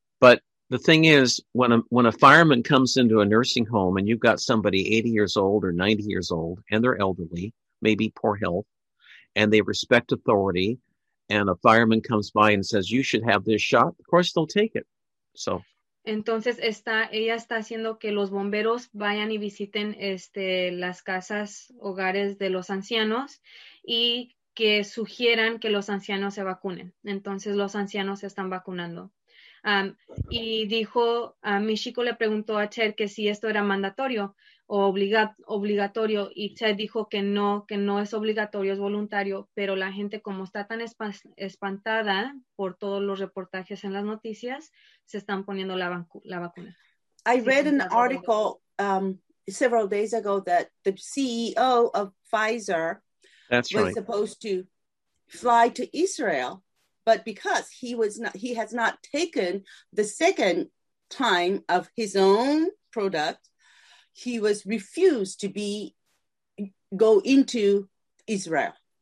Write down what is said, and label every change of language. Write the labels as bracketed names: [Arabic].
[English] But the thing is, when a fireman comes into a nursing home and you've got somebody 80 years old or 90 years old and they're elderly, maybe poor health, and they respect authority, and a fireman comes by and says, you should have this shot, of course they'll take it. So. [Spanish] Entonces, ella está haciendo que los bomberos vayan y visiten las casas, hogares de los ancianos, y que sugieran que los ancianos se vacunen. Entonces, los ancianos se están vacunando. Y dijo, mi chico le preguntó a Ted que si esto era mandatorio o obligatorio, y Ted dijo que no es obligatorio, es voluntario, pero la gente como está tan espantada por todos los reportajes en las noticias, se están poniendo la vacuna. [English] I read an article several days ago that the CEO of Pfizer supposed to fly to Israel. But because he has not taken the second time of his own product, he was refused to go into Israel.